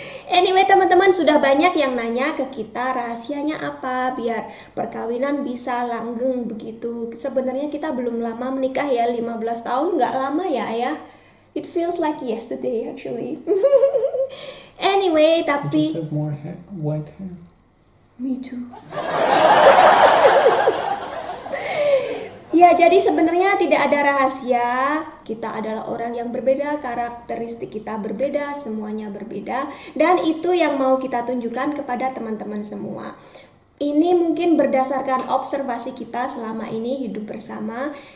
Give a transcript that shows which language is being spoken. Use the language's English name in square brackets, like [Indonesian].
[Indonesian] Anyway teman-teman, sudah banyak yang nanya ke kita rahasianya apa biar perkawinan bisa langgeng begitu. Sebenarnya kita belum lama menikah ya, 15 tahun nggak lama ya ayah. [English] It feels like yesterday actually. [Indonesian] Anyway tapi. [English] You just have more hair, white hair. Me too. [Indonesian] Ya, jadi sebenarnya tidak ada rahasia. Kita adalah orang yang berbeda, karakteristik kita berbeda, semuanya berbeda. Dan itu yang mau kita tunjukkan kepada teman-teman semua. Ini mungkin berdasarkan observasi kita selama ini hidup bersama.